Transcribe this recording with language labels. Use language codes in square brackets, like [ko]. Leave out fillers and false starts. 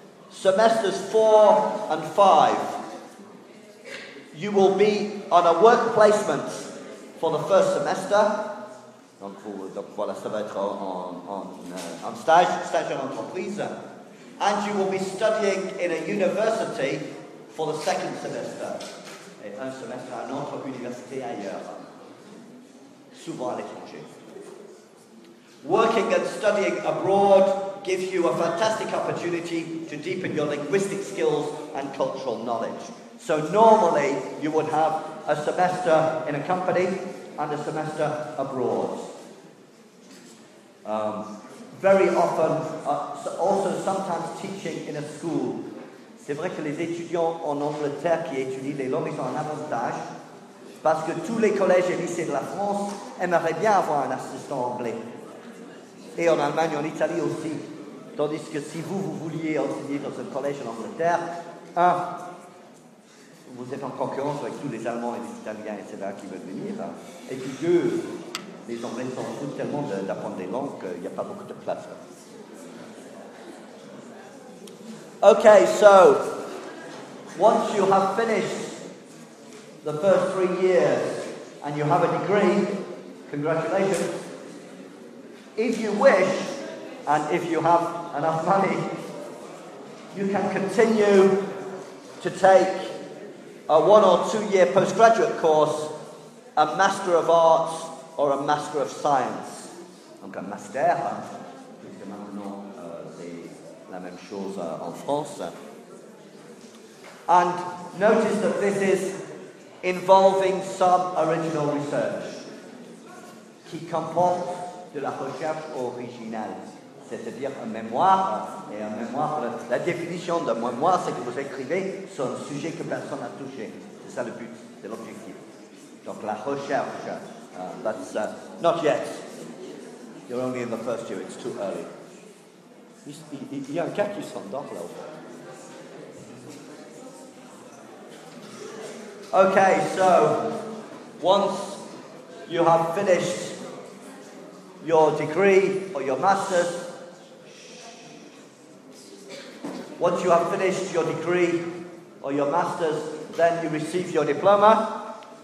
[en] Semesters 4 and 5, you will be on a work placement for the first semester. [fr] Donc voilà, ça va être en stage en entreprise. [en] And you will be studying in a university for the second semester. [fr] Et un semestre à une autre université ailleurs. Souvent à l'étranger. [en] Working and studying abroad gives you a fantastic opportunity to deepen your linguistic skills and cultural knowledge. So normally, you would have a semester in a company and a semester abroad. Also sometimes teaching in a school. [fr] C'est vrai que les étudiants en Angleterre qui étudient les langues ont un avantage Parce que tous les collèges et lycées de la France aimeraient bien avoir un assistant anglais. Et en Allemagne, en Italie aussi. Tandis que si vous, vous vouliez enseigner dans un collège en Angleterre, un, vous êtes en concurrence avec tous les Allemands et les Italiens, etc., qui veulent venir. Hein. Et puis deux, les Anglais s'en foutent tellement d'apprendre des langues qu'il n'y a pas beaucoup de place. [en] Ok, so, once you have finished the first 3 years and you have a degree, congratulations. If you wish, and if you have enough money, you can continue to take a 1 or 2 year postgraduate course, a Master of Arts or a Master of Science. [fr] Donc un master, hein, puisque maintenant c'est la même chose en France. [en] And notice that this is involving some original research, [fr] qui comporte de la recherche originale. C'est-à-dire un mémoire, et un mémoire, la définition d'un mémoire, c'est que vous écrivez sur un sujet que personne n'a touché. C'est ça le but, c'est l'objectif. Donc la recherche, [en] that's not yet. You're only in the first year, it's too early. [fr] Il y a un cas qui s'endort là-haut. [en] Okay, so once you have finished your degree or your master's, once you have finished your degree or your master's, then you receive your diploma.